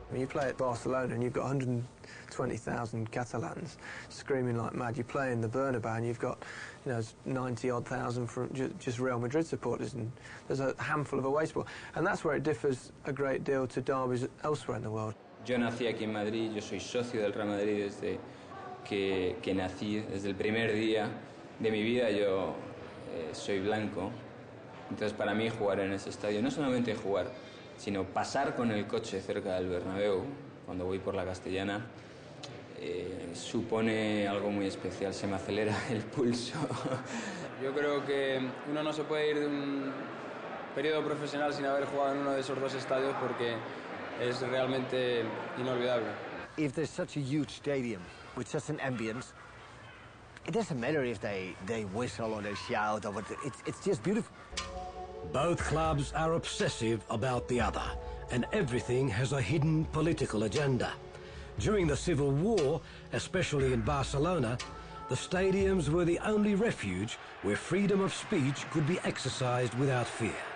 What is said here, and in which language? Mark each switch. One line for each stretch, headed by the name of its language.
English: When you play at Barcelona and you've got 120,000 Catalans screaming like mad, you play in the Bernabeu and you've got, you know, 90-odd thousand from just Real Madrid supporters, and there's a handful of away support. And that's where it differs a great deal to derbies elsewhere in the world.
Spanish: Yo nací aquí en Madrid, yo soy socio del Real Madrid desde que nací, desde el primer día de mi vida yo soy blanco. Entonces para mí jugar en ese estadio, no solamente jugar, sino pasar con el coche cerca del Bernabéu, cuando voy por la Castellana, supone algo muy especial, se me acelera el pulso. Yo creo que uno no se puede ir de un periodo profesional sin haber jugado en uno de esos dos estadios porque es realmente inolvidable.
English: If there's such a huge stadium with such an ambience, it doesn't matter if they whistle or they shout or whatever. It's just beautiful. Both clubs are obsessive about the other, and everything has a hidden political agenda. During the Civil War, especially in Barcelona, the stadiums were the only refuge where freedom of speech could be exercised without fear.